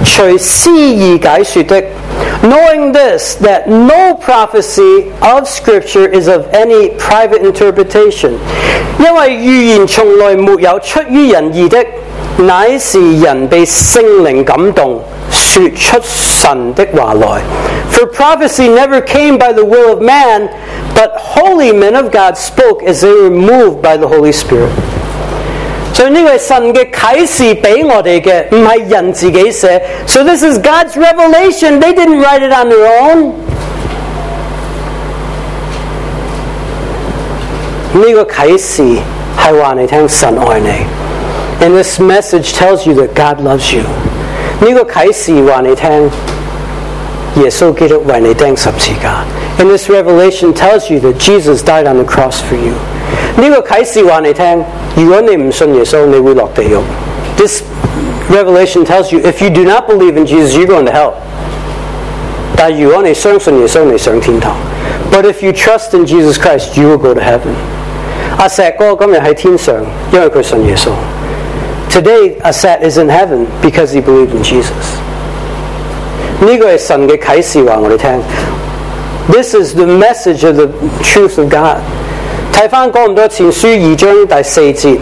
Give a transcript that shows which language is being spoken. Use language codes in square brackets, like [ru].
[zh] 第一要紧的，该知道经上所有的预言，没有人没有随私意解说的。 [en] Knowing this, that no prophecy of Scripture is of any private interpretation. [zh] 因为预言从来没有出于人意的，乃是人被圣灵感动，说出神的话来。 [en] For prophecy never came by the will of man, but holy men of God spoke as they were moved by the Holy Spirit. [zh] 所以这是神的启示给我们的，不是人自己写。 [en] So this is God's revelation. They didn't write it on their own. [zh] 这个启示是告诉你神爱你。 [en] And this message tells you that God loves you. [zh] 这个启示告诉你， 耶稣基督为你钉十字架。 [en] And this revelation tells you that Jesus died on the cross for you. [zh] 这个启示告诉你， 如果你不信耶稣，你会落地狱。 [en] This revelation tells you, if you do not believe in Jesus, you're going to hell. [zh] 但如果你相信耶稣，你上天堂。 [en] But if you trust in Jesus Christ, you will go to heaven. [zh] 阿锡哥今天在天上，因为他信耶稣。 [en] Today, Asat is in heaven because he believed in Jesus. [zh] 这个是神的启示告诉我们。 [en] This is the message of the truth of God. [zh] 看回《哥林多前书》2章第4节，